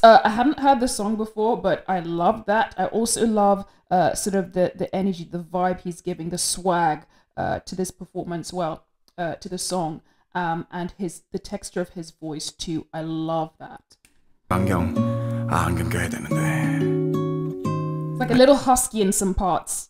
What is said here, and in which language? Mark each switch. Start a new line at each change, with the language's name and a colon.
English: I haven't heard the song before, but I love that. I also love sort of the energy, the vibe he's giving, the swag to this performance, well, to the song, and the texture of his voice too. I love that.
Korean: 안경, 아 안경 껴야 되는데.
English: It's like a little husky in some parts.